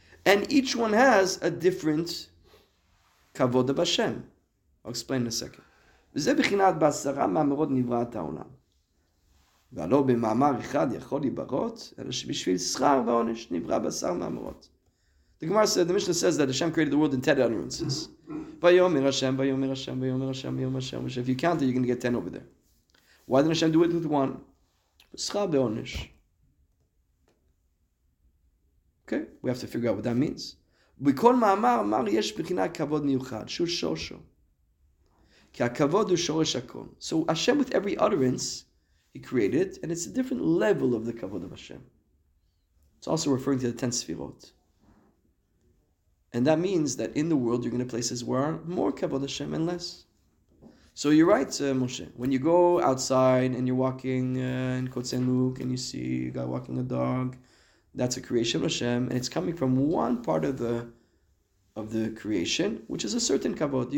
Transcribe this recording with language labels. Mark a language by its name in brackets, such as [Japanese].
[English] And each one has a different kavod of Hashem. I'll explain in a second. [Hebrew] וזה בחינת בעשרה מאמרות נברא את העולם. ולא במאמר אחד יכול לברות, אלא שבשביל שכר ועונש נברא בעשר מאמרות. [English] The Gemara says, the Mishnah says that Hashem created the world in 10 utterances. [Hebrew] ויאמר השם, ויאמר השם, ויאמר השם, ויאמר השם. [English] If you count it, you're going to get 10 over there. Why didn't Hashem do it with one? [Hebrew] שכר ועונש. [English] Okay, we have to figure out what that means. [Hebrew] בכל מאמר, אמר יש בחינה כבוד מיוחד, שהוא שורשו. כי הכבוד הוא שורש הכל. [English] So Hashem, with every utterance, He created, and it's a different level of the כבוד of Hashem. It's also referring to the 10 ספירות. And that means that in the world, you're going to places where are more כבוד Hashem and less. So you're right, Moshe. When you go outside and you're walking in Kotzen Luke, and you see a guy walking a dog, that's a creation of Hashem, and it's coming from one part of the creation, which is a certain kavod.